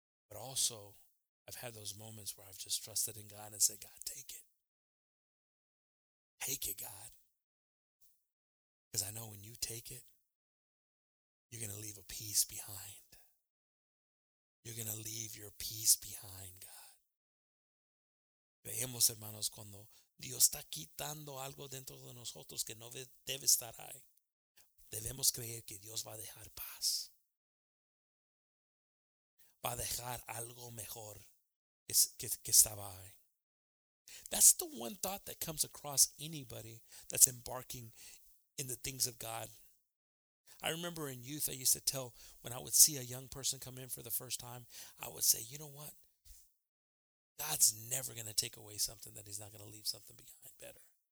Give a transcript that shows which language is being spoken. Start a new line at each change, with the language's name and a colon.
English: But also, I've had those moments where I've just trusted in God and said, God, take it. Take it, God. Because I know when you take it, you're going to leave a peace behind. You're going to leave your peace behind, God.
Spanish: Veamos, hermanos, cuando Dios está quitando algo dentro de nosotros que no debe estar ahí. Debemos creer que Dios va a dejar paz. Va a dejar algo mejor que estaba ahí.
English: That's the one thought that comes across anybody that's embarking in the things of God. I remember in youth, I used to tell when I would see a young person come in for the first time, I would say, you know what? God's never going to take away something that he's not going to leave something behind better.